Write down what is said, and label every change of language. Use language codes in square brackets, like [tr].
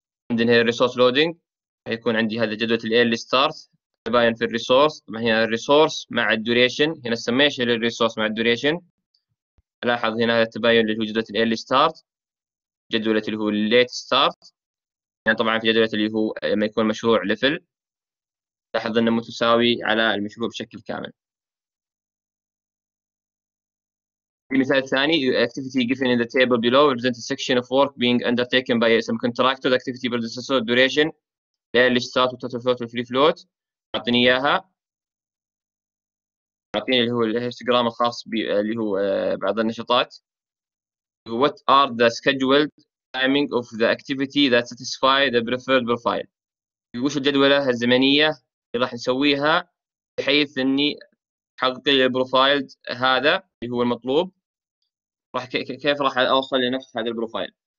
[ar] عندنا هي الريسورس لودينج، هيكون عندي هذا جدول الـ early start تباين في الـ resource، طبعا هنا الـ resource مع الـ duration، هنا summation للـ resource مع الـ duration. لاحظ هنا هذا التباين اللي هو جدول الـ early start، جدولة اللي هو الـ late start، يعني طبعا في جدولة اللي هو لما يكون مشروع level، لاحظ انه متساوي على المشروع بشكل كامل. المثال الثاني [en] activity given in the table below represents a section of work being undertaken by some contractor, activity predecessor, duration. [ar] اللي ستارت والتوتال فلوت والفري فلوت اعطيني اياها، اعطيني اللي هو الهيستوغرام الخاص اللي هو بعض النشاطات. [en] What are the scheduled timing of the activity that satisfy the preferred profile؟ [ar] وش الجدوله الزمنيه اللي راح نسويها بحيث اني احقق البروفايل هذا اللي هو المطلوب، راح كيف راح اوصل لنفس هذا البروفايل.